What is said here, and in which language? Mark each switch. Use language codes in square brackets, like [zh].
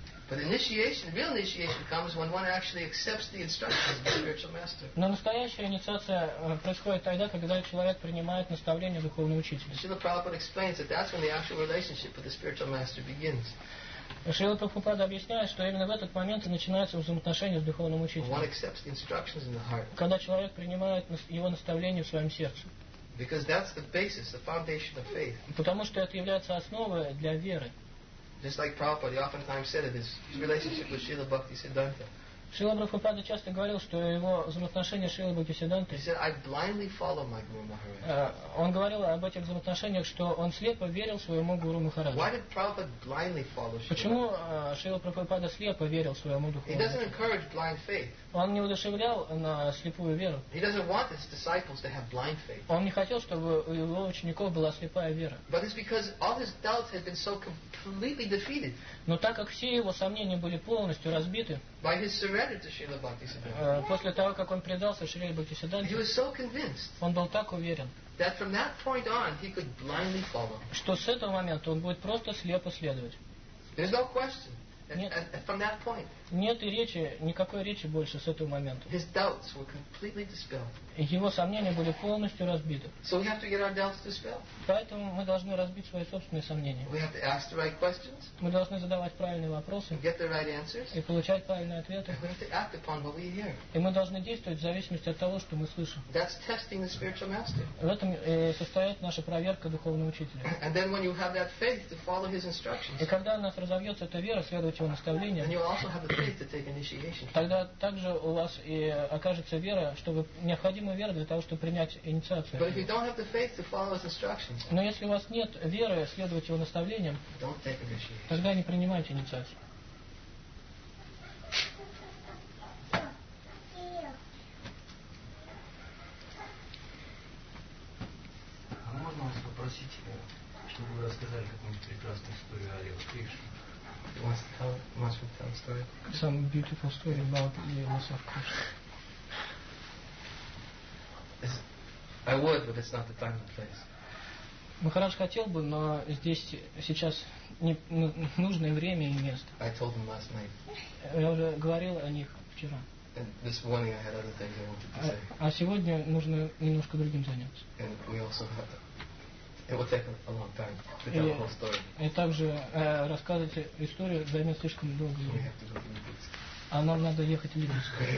[ru] Но настоящая инициация происходит тогда, когда человек принимает наставление духовного учителя. [en] Srila Prabhupada explains that that's when the actual relationship with the spiritual master begins. [ru] Шрила Прабхупада объясняет, что именно в этот момент и начинается взаимоотношение с духовным учителем. [en] One accepts instructions in the heart. [ru] Когда человек принимает его наставление в своем сердце. [en] Because that's the basis, the foundation of faith. [ru] Потому что это является основой для веры. [en] Just like Prabhupada, he oftentimes said it, his relationship with Srila Bhakti Siddhanta. [ru] Шрила Прабхупада часто говорил, что его взаимоотношения с Шрилой Бхактисиддхантой... [en] He said, I blindly follow my Guru Maharaj. [ru] Он говорил об этих взаимоотношениях, что он слепо верил своему Гуру Махараджу. [en] Why did Prabhupada blindly follow Shrila? [ru] Почему Шрила Прабхупада слепо верил своему духовному? [en] He doesn't encourage blind faith. [ru] Он не удушевлял на слепую веру. [en] He doesn't want his disciples to have blind faith. [ru] Он не хотел, чтобы у его учеников была слепая вера. [en] But it's because all his doubts had been so completely defeated. [ru] Но так как все его сомнения были полностью разбиты, [en] by his surrender to Srila Bhaktisiddhanta. [ru] После того, как он предался Шриле Бхактисиддханте, [en] he was so convinced. [ru] Он был так уверен, [en] that from that point on he could blindly follow. [ru] Что с этого момента он будет просто слепо следовать. [en] There's no question. [ru] Нет. [en] From that point. [ru] Нет и речи, никакой речи больше с этого момента. [en] His doubts were completely dispelled. [ru] Его сомнения были полностью разбиты. [en] So we have to get our doubts dispelled. [ru] Поэтому мы должны разбить свои собственные сомнения. [en] We have to ask the right questions. [ru] Мы должны задавать правильные вопросы. [en] Get the right answers. [ru] И получать правильные ответы. [en] And we have to act upon what we hear. [ru] И мы должны действовать в зависимости от того, что мы слышим. [en] That's testing the spiritual master. [ru] В этом состоит наша проверка духовного учителя. [en] And then when you have that faith to follow his instructions. [ru] И когда у нас разовьется эта вера, следовать его наставлениям. [en] And you also have the to take initiation. [ru] Тогда также у вас и окажется вера, чтобы необходимая вера для того, чтобы принять инициацию. [en] But if you don't have the faith to follow his instructions. [ru] Но если у вас нет веры следовать его наставлениям, [en] don't take initiation. [ru] Тогда не принимайте инициацию. А можно вас попросить, чтобы вы рассказали какую-нибудь прекрасную историю о Харе Кришне? [en] Must we tell a story? Some beautiful story about the loss of Krishna. I would, but it's not the time and place. [ru] Maharaj хотел бы, но здесь сейчас не нужное время и место. [en] I told him last night. [ru] Я уже говорил о них вчера. [en] And this morning I had other things I wanted to say. [ru] А сегодня нужно немножко другим заняться. [en] And we also have to... It will take a long time to tell the whole story. [ru] И также рассказывать историю займет слишком долго. [en] We have to go to Липецк. [ru] А нам надо ехать в Липецк.